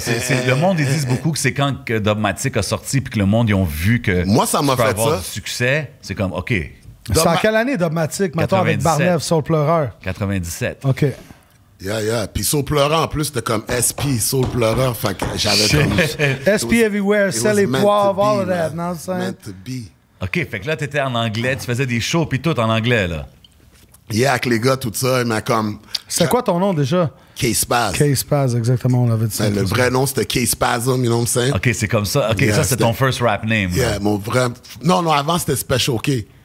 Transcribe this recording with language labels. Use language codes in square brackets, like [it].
[fr] C'est, le monde, ils disent beaucoup que c'est quand que Dubmatic a sorti puis que le monde, ils ont vu que... Moi, ça m'a fait avoir ça. Du succès. C'est comme, OK. C'est en quelle année, Dubmatic, maintenant, avec Barnev, Soul Pleureur? 97. OK. [en] Yeah, yeah. [fr] Puis Soul Pleureur, en plus, c'était comme SP, Soul Pleureur. Fait que j'avais comme... [en] SP Everywhere, [fr] Sell et Poivre, [en] all of that. [fr] Non, c'est... [en] Meant to be. [fr] OK, fait que là, t'étais en anglais, tu faisais des shows puis tout en anglais, là. Yeah, avec les gars, tout ça, il m'a comme... C'était quoi ton nom, déjà? K-Spaz. K-Spaz, exactement, on avait dit. Ben, le vrai nom, c'était K-Spazm, [en] you know what I'm saying? [fr] OK, c'est comme ça. OK, yeah, ça, c'est ton [en] first rap name. [fr] Yeah, là. Mon vrai... Non, non, avant, c'était Special K.